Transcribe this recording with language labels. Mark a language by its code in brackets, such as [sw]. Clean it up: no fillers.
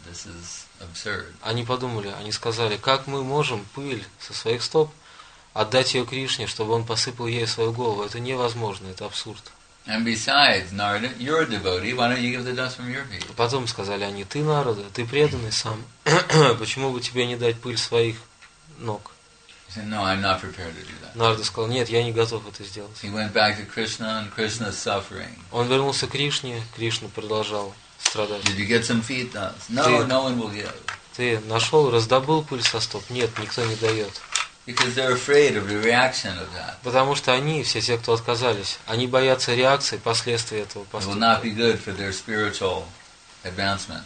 [en] This is absurd. [ru] Они подумали, они сказали, как мы можем пыль со своих стоп отдать ее Кришне, чтобы он посыпал ей свою голову. Это невозможно, это абсурд. [en] And besides, Narada, you're a devotee, why don't you give the dust from your feet? [ru] Потом сказали они, ты Нарада, ты преданный сам, почему бы тебе не дать пыль своих ног? [en] He said, no, I'm not prepared to do that. [ru] Нарада сказал, нет, я не готов это сделать. [en] He went back to Krishna and Krishna's suffering. [ru] Он вернулся к Кришне, Кришна продолжал страдать. [en] Did you get some feet dust? No one will give. [ru] Ты нашел, раздобыл пыль со стоп? Нет, никто не дает. [en] Because they're afraid of the reaction of that. [ru] Потому что они, все те, кто отказались, они боятся реакции, последствий этого поступка. [en] It will not be good for their spiritual advancement.